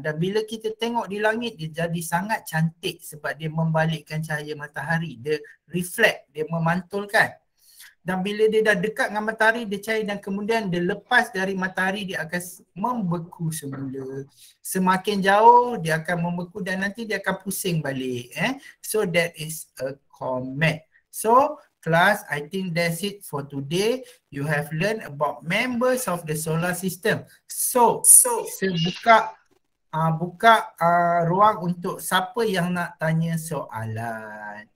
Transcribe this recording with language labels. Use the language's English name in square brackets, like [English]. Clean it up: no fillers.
[Malay] Dan bila kita tengok di langit, dia jadi sangat cantik sebab dia membalikkan cahaya matahari. Dia reflect, dia memantulkan. Dan bila dia dah dekat dengan matahari, dia cair dan kemudian dia lepas dari matahari, dia akan membeku semula. Semakin jauh, dia akan membeku dan nanti dia akan pusing balik. [English] So that is a comet. So class, I think that's it for today. You have learned about members of the solar system. [Malay] So sebuka ruang untuk siapa yang nak tanya soalan.